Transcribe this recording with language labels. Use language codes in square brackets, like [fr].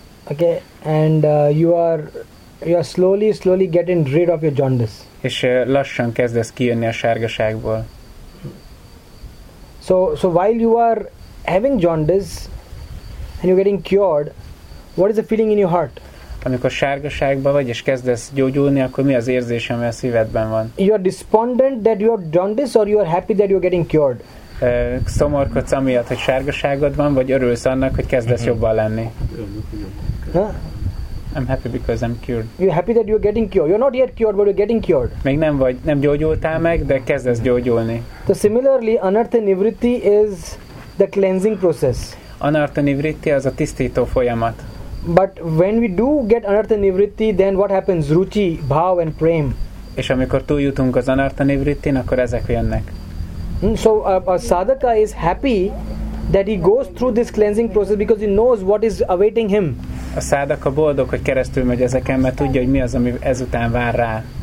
[en] Okay, and you are slowly getting rid of your jaundice. [hu] És lassan kezdesz kijönni a sárgaságból. [en] So while you are having jaundice and you're getting cured, what is the feeling in your heart? [hu] Amikor sárgaságban vagy és kezdesz gyógyulni, akkor mi az érzés, ami a szívedben van? [en] You are despondent that you have jaundice, or you are happy that you are getting cured? [hu] Szomorkodsz amiatt, hogy sárgaságod van, vagy örülsz annak, hogy kezdesz jobban lenni? [en] Huh? I'm happy because I'm cured. You're happy that you're getting cured. You're not yet cured, but you're getting cured. [hu] Még nem vagy, nem gyógyultál meg, de kezdesz gyógyulni. [en] So similarly, anartha nivritti is the cleansing process. [hu] Anartha nivritti az a tisztító folyamat. [en] But when we do get anartha nivritti, then what happens? Ruchi, bhav and prem. [hu] És amikor túljutunk az anartha nivrittin, akkor ezek jönnek. [en] So a sadhaka is happy that he goes through this cleansing process because he knows what is awaiting him. [hu] A sádaka boldog, hogy keresztül megy ezeken, mert tudja, hogy mi az, ami ezután vár rá.